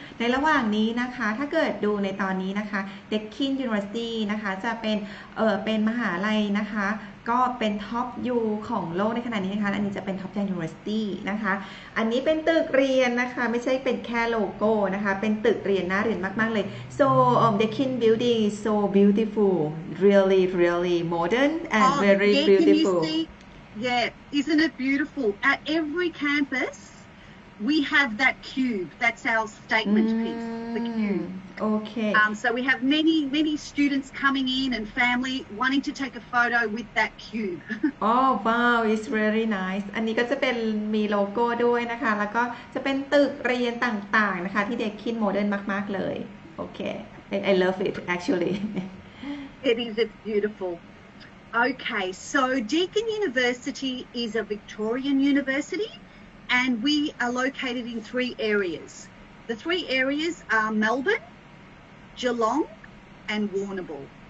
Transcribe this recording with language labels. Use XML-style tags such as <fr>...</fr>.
<th>ในระหว่างนี้นะคะถ้าเกิดดูในตอนนี้นะคะ Deakin University นะคะจะเป็นเป็นมหาลัยนะคะก็เป็นท็อปยูของโลกในขณะนี้นะคะอันนี้จะเป็นท็อปยูนิเวอร์ซิตี้นะคะอันนี้เป็นตึกเรียนนะคะไม่ใช่เป็นแค่โลโก้นะคะเป็นตึกเรียนน่าเรียนมากๆเลย</th> <en>so Deakin building so beautiful really really modern and oh, very yeah, beautiful can you see? Yeah, isn't it beautiful? At every campus, we have that cube. That's our statement piece, the cube. Okay. So we have many, many students coming in and family wanting to take a photo with that cube. Oh, wow, it's really nice.</en> <th>อันนี้ก็จะเป็นมีโลโก้ด้วยนะคะแล้วก็จะเป็นตึกเรียนต่างๆนะคะที่เด็กคิดโมเดิร์นมากๆเลย</th> <en>Okay, I love it, actually. It is, it's beautiful. Okay, so Deakin University is a Victorian university and we are located in three areas. The three areas are Melbourne, Geelong and Warrnambool.</en>